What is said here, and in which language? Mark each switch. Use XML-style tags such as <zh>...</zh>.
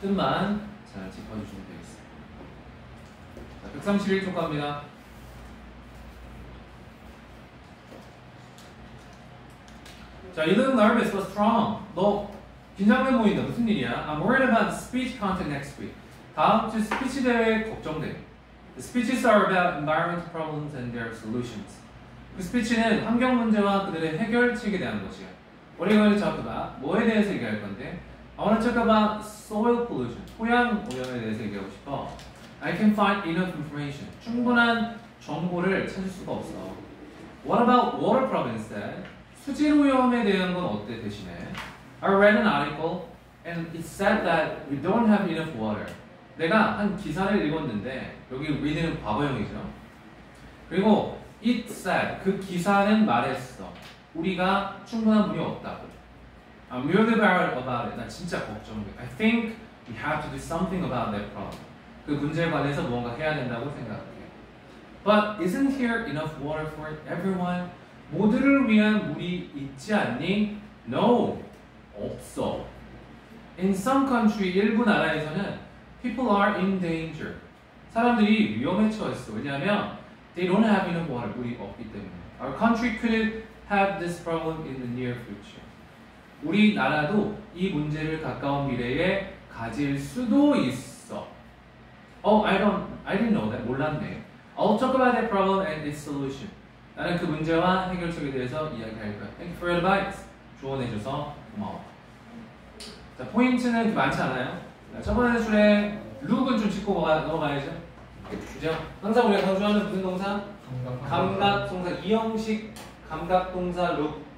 <ko>뜻만 잘 짚어주시면 되겠습니다. 자, 131쪽 갑니다. 자,</ko> <en>you look nervous, what's wrong?</en> <ko>너 긴장돼 보인다. 무슨 일이야?</ko> <en>I'm worried about speech content next week.</en> <ko>다음 주 스피치 대회 걱정돼.</ko> <en>The speeches are about environmental problems and their solutions.</en> <ko>그 스피치는 환경 문제와 그들의 해결책에 대한 것이야.</ko> <en>What are you going to talk about?</en> <ko>뭐에 대해서 얘기할 건데?</ko> <en>I want to talk about soil pollution.</en> <ko>토양 오염에 대해서 얘기하고 싶어.</ko> <en>I can't find enough information.</en> <ko>충분한 정보를 찾을 수가 없어.</ko> <en>What about water problems then?</en> <ko>수질 오염에 대한 건 어때 대신에?</ko> <en>I read an article and it said that we don't have enough water.</en> <ko>내가 한 기사를 읽었는데 여기 we는 과거형이죠. 그리고</ko> <en>it said</en> <ko>그 기사는 말했어. 우리가 충분한 물이 없다고.</ko> <en>I'm worried about it.</en> <ko>나 진짜 걱정돼.</ko> <en>I think we have to do something about that problem.</en> <ko>그 문제에 관해서 뭔가 해야 된다고 생각해.</ko> <en>But isn't here enough water for everyone?</en> <ko>모두를 위한 물이 있지 않니?</ko> <en>No,</en> <ko>없어.</ko> <en>In some country,</en> <ko>일부 나라에서는</ko> <en>people are in danger.</en> <ko>사람들이 위험에 처했어. 왜냐하면</ko> <en>they don't have enough water,</en> <ko>물이 없기 때문에.</ko> <en>Our country could have this problem in the near future.</en> <ko>우리나라도 이 문제를 가까운 미래에 가질 수도 있어.</ko> <en>Oh, I didn't know that.</en> <ko>몰랐네.</ko> <en>I'll talk about that problem and its solution.</en> <ko>나는 그 문제와 해결책에 대해서 이야기할 거야.</ko> <en>Thank you for your advice.</en> <ko>조언해 줘서 고마워. 자, 포인트는 많지 않아요. 자, 첫 번째 줄에 룩은 좀 짚고 넘어가야죠. 그죠? 항상 우리가 강조하는 무슨 동사? 감각 동사. 이형식 감각 동사 룩.</ko>